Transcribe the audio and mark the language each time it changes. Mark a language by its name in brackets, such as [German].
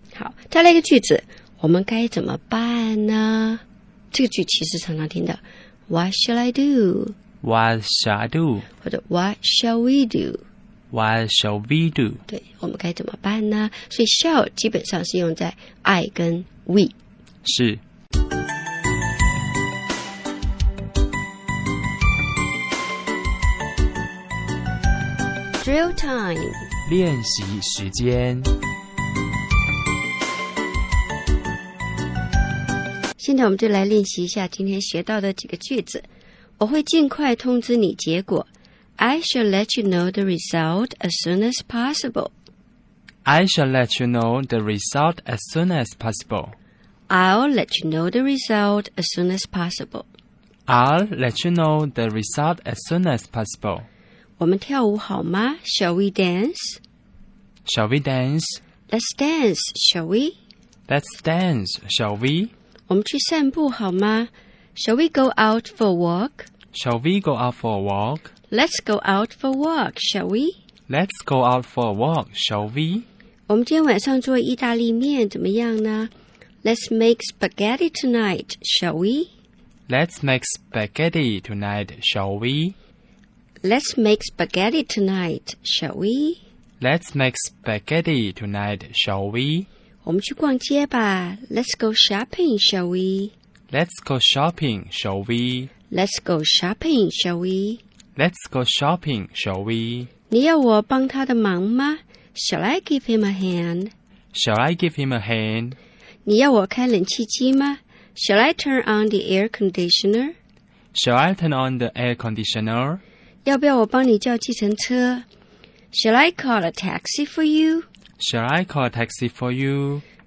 [Chinese] 好，再来一个句子，我们该怎么办呢？这个句其实常常听到 [English] What shall I do? What shall I do? [Chinese] 或者 [English] What shall we do? What shall we do? [Chinese] 对，我们该怎么办呢？所以 shall 基本上是用在 I 跟 we。是。 [English] Drill time， [Chinese] 练习时间。现在我们就来练习一下今天学到的几个句子。我会尽快通知你结果。 [English] I shall let you know the result as soon as possible. I shall let you know the result as soon as possible. I'll let you know the result as soon as possible. I'll let you know the result as soon as possible. [Chinese] 我们跳舞好吗？ [English] Shall we dance? Shall we dance? Let's dance, shall we? Let's dance, shall we? [Chinese] 我们去散步好吗？ [English] Shall we go out for a walk? Shall we go out for a walk? Let's go out for a walk, shall we? Let's go out for a walk, shall we? [Chinese] 我们今天晚上做意大利面怎么样呢？ [English] Let's make spaghetti tonight, shall we? Let's make spaghetti tonight, shall we? Let's make spaghetti tonight, shall we? Let's make spaghetti tonight, shall we? [Chinese] 我们去逛街吧。 [English] Let's go shopping, shall we? Let's go shopping, shall we? Let's go shopping, shall we? Let's go shopping, shall we? [Chinese] 你要我帮他的忙吗？ [English] Shall I give him a hand? Shall I give him a hand? [Chinese] 你要我开冷气机吗？ [English] Shall I turn on the air conditioner? Shall I turn on the air conditioner? [Chinese] 要不要我帮你叫计程车？ [English] Shall I call a taxi for you? Shall I call a taxi for you?